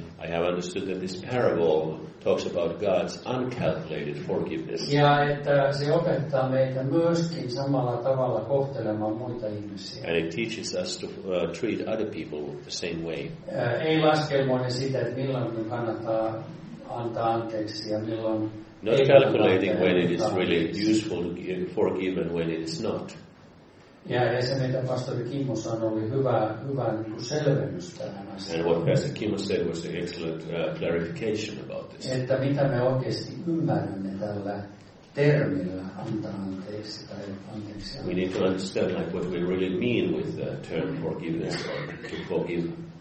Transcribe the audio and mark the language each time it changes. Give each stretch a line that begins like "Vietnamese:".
English: I have understood that this parable talks about God's uncalculated forgiveness.
Finnish: Ja että se opettaa meitä myöskin samalla tavalla kohtelemaan muita ihmisiä.
English: And it teaches us to treat other people the same way.
Finnish: Ei laskelmoinen sitä, että milloin me kannattaa antaa anteeksi ja milloin
English: not calculating when it is really useful to forgive and when it is not.
Finnish: Ja se, mitä pastori Kimmo sanoi, oli hyvä selvennys tähän asiaan.
English: And what Pastor Kimmo said was an excellent clarification about this.
Finnish: Että mitä me oikeasti ymmärrämme tällä termillä antaa anteeksi tai anteeksi.
English: We need to understand, like, what we really mean with the term forgiveness or to forgive.